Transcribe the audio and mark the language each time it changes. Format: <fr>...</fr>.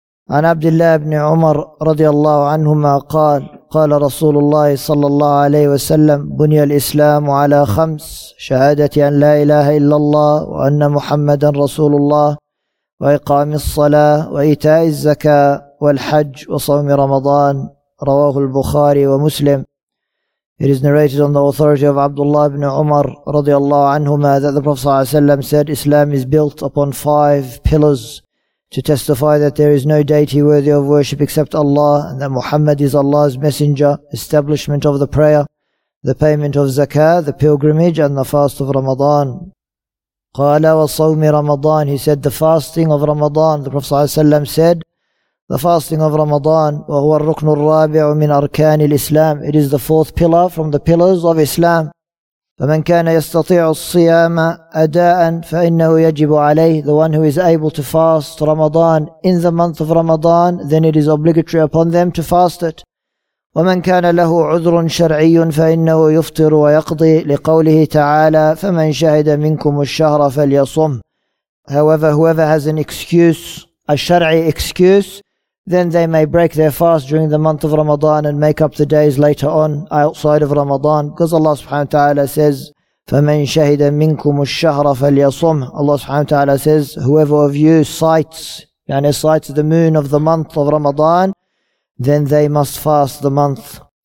<ar>عن عبد الله بن عمر رضي الله عنهما قال قال رسول الله صلى الله عليه وسلم بني الإسلام على خمس شهادة أن لا إله إلا الله وأن محمدا رسول الله وإقام الصلاة وإيتاء الزكاة والحج وصوم رمضان رواه البخاري ومسلم.</ar> <en>It is narrated on the authority of Abdullah ibn Umar</en> <ar>رضي الله عنهما</ar> <en>that the Prophet</en> <ar>صلى الله عليه وسلم</ar> <en>said Islam is built upon five pillars to testify that there is no deity worthy of worship except Allah and that Muhammad is Allah's messenger, establishment of the prayer, the payment of zakah, the pilgrimage and the fast of Ramadan.</en> <ar>قال وصوم رمضان.</ar> <en>He said the fasting of Ramadan. The Prophet</en> <ar>صلى الله عليه وسلم</ar> <en>said the fasting of Ramadan</en> <ar>وهو الركن الرابع من أركان الإسلام.</ar> <en>It is the fourth pillar from the pillars of Islam.</en> <ar>فمن كان يستطيع الصيام أداء فإنه يجب عليه.</ar> <en>The one who is able to fast Ramadan in the month of Ramadan, then it is obligatory upon them to fast it.</en> <ar>ومن كان له عذر شرعي فإنه يفطر ويقضي لقوله تعالى فمن شهد منكم الشهر فليصم.</ar> <en>However, whoever has an excuse, a shar'i excuse, then they may break their fast during the month of Ramadan and make up the days later on outside of Ramadan. Because Allah subhanahu wa ta'ala says,</en> <ar>فمن شهد منكم الشهر فليصم.</ar> <en>Allah subhanahu wa ta'ala says, whoever of you sights, يعني sights the moon of the month of Ramadan, then they must fast the month.</en>